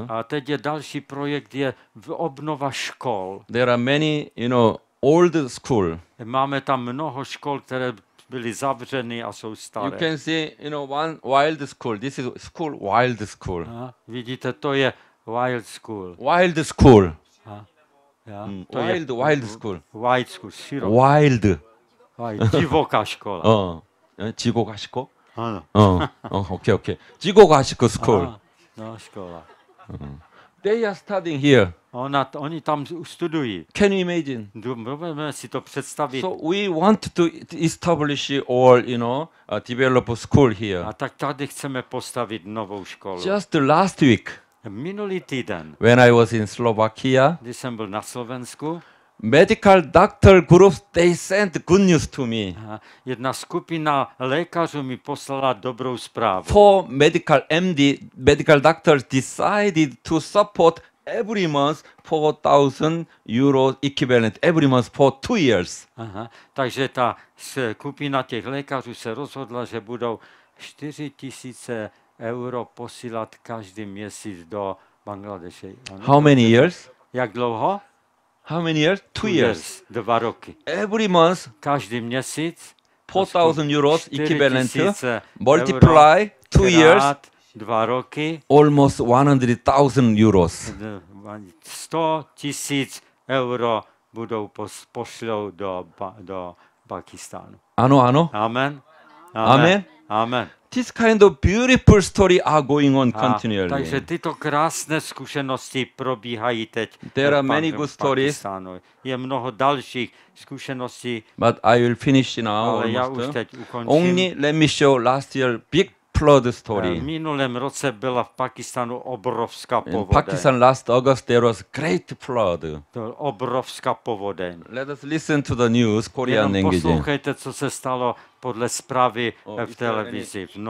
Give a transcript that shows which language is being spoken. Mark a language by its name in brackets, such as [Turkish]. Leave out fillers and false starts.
[Czech] A teď je další projekt, je obnova škol. [English] There are many, you know, old school. [Czech] Máme tam mnoho škol, které byly zavřeny a jsou staré. [English] You can see, you know, one wild school. This is school wild school. [Czech] A vidíte, to je [English] wild school. Wild school. Ja? Mm. Wild, wild school. Wild school. Shiro. Wild. [Czech] Jigoka škola. Jigoka škola? [English] Okay, okay. Jigoka school. [Czech] No, škola. [English] They are studying here. [Czech] Oni tam studují. [English] Can you imagine? [Czech] Můžeme si to představit. [English] So we want to establish or, you know, develop a school here. [Czech] A tak tady chceme postavit novou školu. [English] Just last week. [Czech] Minulý týden. [English] When I was in Slovakia. [Czech] Když jsem byl na Slovensku. [English] Medical doctor group, they sent good news to me. [Czech] Jedna skupina lékařů mi poslala dobrou zprávu. [English] Four medical MD, medical doctors decided to support every month 4,000 euro equivalent every month for 2 years. [Czech] Takže ta skupina těch lékařů se rozhodla, že budou 4,000 euro posílat každý měsíc do Bangladeše. [English] How many years? [Czech] Jak dlouho? [English] How many years? Two years. [Czech] 2 roky. [English] Every month. [Czech] Každý měsíc. [English] 4,000 euros equivalent. Multiply 2 years. [Czech] 2 roky. [English] Almost 100,000 euros. [Czech] 100,000 euro budou pošlou do Pakistánu. Ano, ano. Amen. Amen. Amen. [English] This kind of beautiful story are going on continually. [Czech] Takže tyto krásné zkušenosti probíhají teď. [English] There are many good stories. [Czech] Je mnoho dalších zkušeností. [English] But I will finish now. [Czech] Ale já už teď ukončím. [English] Only let me show last year big flood story. [Czech] V minulém roce byla v Pakistánu obrovská povodeň. [English] In Pakistan last August there was great flood. [Czech] To obrovská povodeň. [English] Let us listen to the news, Korean language. [Czech] Jenom poslouchejte, co se stalo podle zprávy v televizi.